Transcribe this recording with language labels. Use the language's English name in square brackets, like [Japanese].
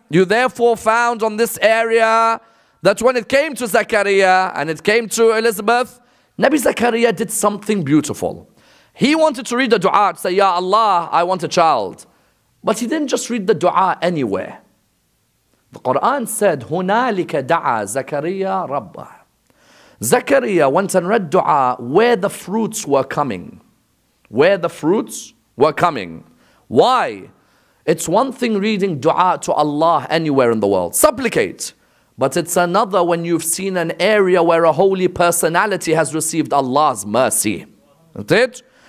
[English] You therefore found on this area that when it came to Zakaria and it came to Elizabeth, Nabi Zakaria did something beautiful. He wanted to read the dua to say, Ya Allah, I want a child. But he didn't just read the dua anywhere. The Quran said, [Arabic] هُنَالِكَ دَعَى زَكَرِيَا رَبَّهُ. [English] Zakaria went and read dua where the fruits were coming. Where the fruits were coming. Why? It's one thing reading dua to Allah anywhere in the world. Supplicate. But it's another when you've seen an area where a holy personality has received Allah's mercy. Isn't it?